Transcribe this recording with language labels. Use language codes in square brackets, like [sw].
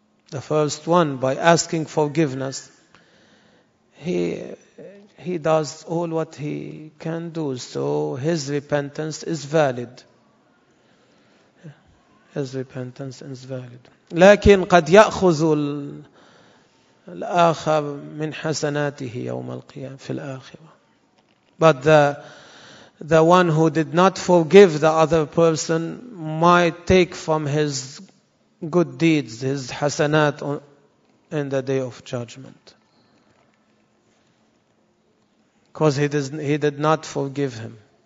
[en] The first one, by asking forgiveness, he does all what he can do. So his repentance is valid. His repentance is valid. [ar] لكن قد يأخذ الآخر من حسناته يوم القيامة في الآخرة. [en] But the one who did not forgive the other person might take from his good deeds, his hasanat, in the day of judgment. Because he did not forgive him.